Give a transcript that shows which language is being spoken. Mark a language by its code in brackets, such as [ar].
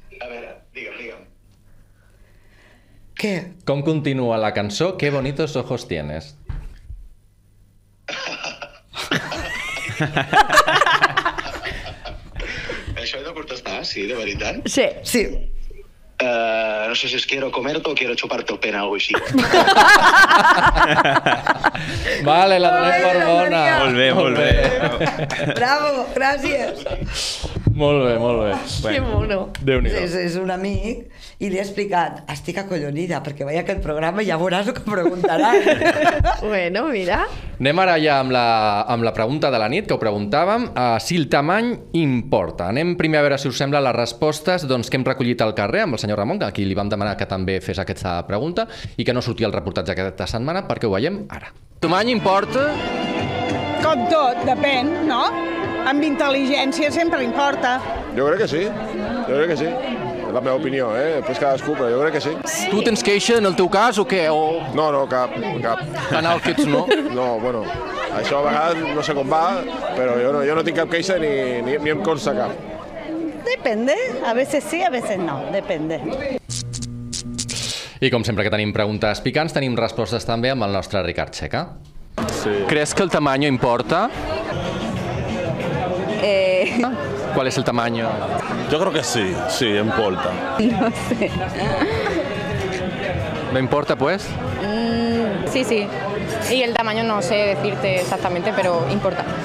[ca] A veure, digue'm. Què? Com continua la cançó Qué bonitos ojos tienes? Això he de contestar, sí, de veritat? Sí, sí. No sé si es [es] quiero comer-te o quiero chupar-te [ca] el pene o així. Vale, la donem per bona. Molt bé, molt bé. Bravo, gràcies. Molt bé, molt bé. Que mono. Déu-n'hi-do. És un amic i li he explicat, estic acollonida perquè veia aquest programa i ja veuràs el que preguntarà. Bueno, mira. Anem ara ja amb la pregunta de la nit, que ho preguntàvem, si el tamany importa. Anem primer a veure si us sembla les respostes doncs, que hem recollit al carrer amb el senyor Ramon, que aquí li vam demanar que també fes aquesta pregunta i que no sortia el reportatge aquesta setmana, perquè ho veiem ara. Tamany importa? Com tot, depèn, no? Amb intel·ligència sempre importa. Jo crec que sí, jo crec que sí. És la meva opinió, després cadascú, però jo crec que sí. Tu tens queixa en el teu cas o què? O... No, no, cap, cap. En Alkits no? No, bueno, això a vegades no sé com va, però jo no tinc cap queixa ni em consta cap. [es] Depende, a veces sí, a veces no, depende. [ca] I com sempre que tenim preguntes picants, tenim respostes també amb el nostre Ricard Checa. Sí. Creus que el tamaño importa? [es] ¿Cuál es el tamaño? Yo creo que sí, sí, importa. No sé. ¿Me importa, pues? Sí, sí. Y el tamaño no sé decirte exactamente, pero importa.